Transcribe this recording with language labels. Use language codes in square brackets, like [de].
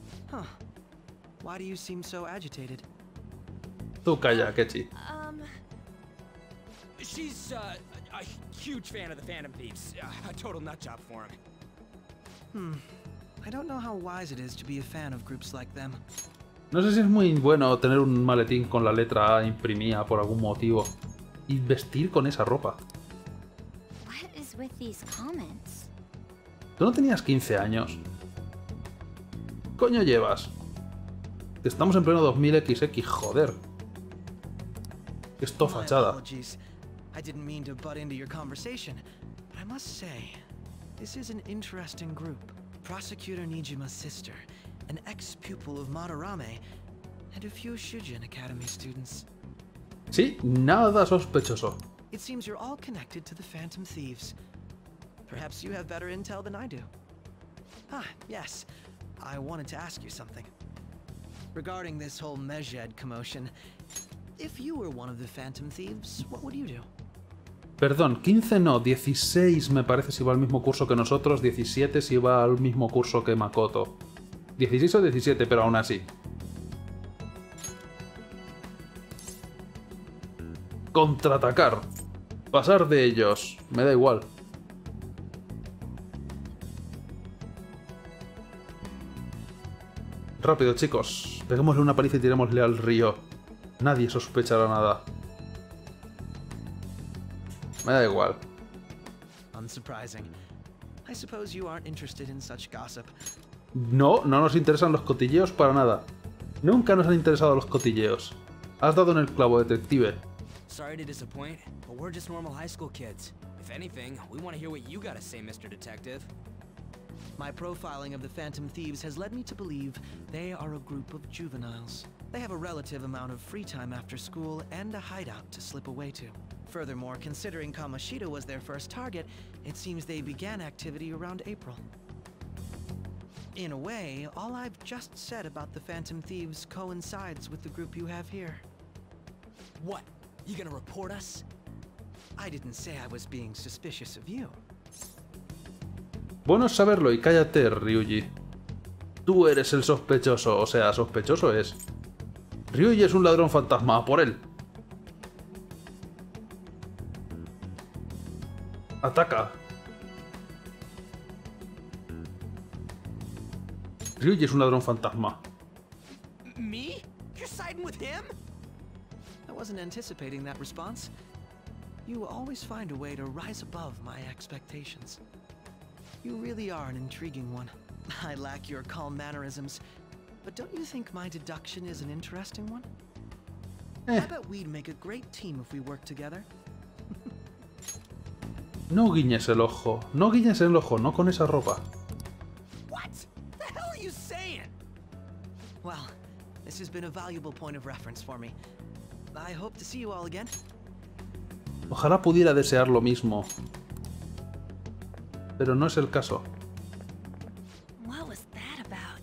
[en] Huh. Why do you seem so agitated? [es] Tú calla, Ketchy. [en] She's a huge fan of the Phantom Thieves. A total nut job for him. Hmm. I don't know how wise it is to be a fan of groups like them. [es] No sé si es muy bueno tener un maletín con la letra A imprimida por algún motivo y vestir con esa ropa. [en] What is with these comments? [es] Tú no tenías 15 años. ¿Qué coño llevas? Estamos en pleno 2000XX, joder. Esto fachada. [en] I didn't mean to butt into your conversation, but I must say, this is an interesting group. Prosecutor Nijima's sister, an ex-pupil of Madarame, and a few Shujin Academy students. [es] Sí, nada sospechoso. [en] It seems you're all connected to the Phantom Thieves. Perhaps you have better intel than I do. Ah, yes. I wanted to ask you something. Regarding this whole Mejed commotion, if you were one of the Phantom Thieves, what would you do? [es] Perdón, 15 no, 16 me parece si va al mismo curso que nosotros, 17 si va al mismo curso que Makoto. 16 o 17, pero aún así. Contraatacar. Pasar de ellos. Me da igual. Rápido, chicos. Peguémosle una paliza y tirémosle al río. Nadie sospechará nada. Me da igual. [en] Unsurprising. I suppose you aren't interested in such gossip. [es] No, no nos interesan los cotilleos para nada. Nunca nos han interesado los cotilleos. Has dado en el clavo, detective. [en] Sorry to disappoint, but we're just normal high school kids. If anything, we want to hear what you gotta say, Mr. Detective. My profiling of the Phantom Thieves has led me to believe they are a group of juveniles. They have a relative amount of free time after school and a hideout to slip away to. Furthermore, considering Kamoshida was their first target, it seems they began activity around April. In a way, all I've just said about the Phantom Thieves coincides with the group you have here. What? You gonna report us? I didn't say I was being suspicious of you. [es] Bueno saberlo y cállate, Ryuji. Tú eres el sospechoso, o sea, sospechoso es. Ryuji es un ladrón fantasma, a por él. Ataca. Ryuji es un ladrón fantasma. [en] Me? You're siding with him? I wasn't anticipating that response. You always find a way to rise above my expectations. You really are an intriguing one. I lack your calm mannerisms, but don't you think my deduction is an interesting one? Eh. I bet we'd make a great team if we worked together. [es] No guiñes el ojo. No guiñes el ojo, no con esa ropa. [en] What the hell are you saying? Well, this has been a valuable point of reference for me. I hope to see you all again. [es] Ojalá pudiera desear lo mismo. Pero no es el caso. [en] What was that about?